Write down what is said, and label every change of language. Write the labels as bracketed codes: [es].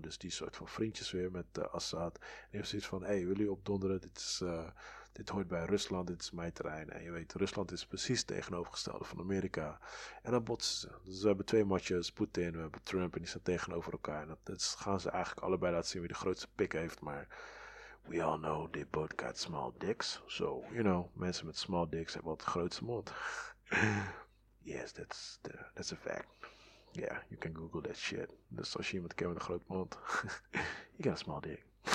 [nl] Dus die soort van vriendjes weer met Assad. En heeft zoiets van, hey, willen jullie opdonderen? Dit hoort bij Rusland, dit is mijn terrein. En je weet, Rusland is precies het tegenovergestelde van Amerika. En dan botsen ze. Dus we hebben twee matjes, Poetin, we hebben Trump, en die staan tegenover elkaar. En dat gaan ze eigenlijk allebei laten zien wie de grootste pik heeft. [en] Maar we all know they both got small dicks. So, you know, [nl] mensen met small dicks hebben wel de grootste mond. [en] Yes, that's a fact. Yeah, you can Google that shit. [nl] Dus als je iemand kent met een groot mond, [en] you got a small dick.